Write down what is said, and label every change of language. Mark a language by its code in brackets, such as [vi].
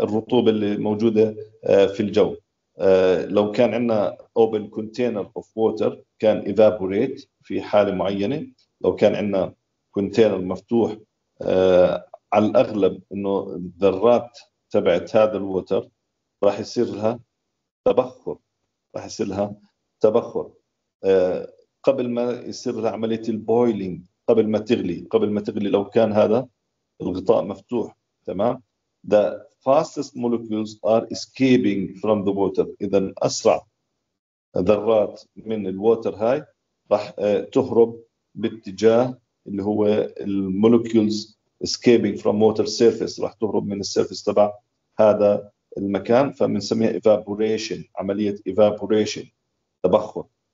[ar] الرطوبة اللي موجودة في الجو, لو كان عندنا [en] open container of water [ar] كان evaporate في حالة معينة, لو كان عندنا container مفتوح على الأغلب إنه الذرات تبعت هذا الووتر راح يصير لها تبخر, راح يصير لها تبخر قبل ما يصير لها عملية البويلينج, قبل ما تغلي, قبل ما تغلي لو كان هذا الغطاء مفتوح. تمام. [en] The fastest molecules are escaping from the water. [ar] إذا أسرع ذرات من الووتر هاي راح تهرب باتجاه اللي هو المولكيولز [en] escaping from water surface, [ar] راح تهرب من السيرفيس تبع هذا المكان, فمنسميها evaporation, عملية evaporation تبخر.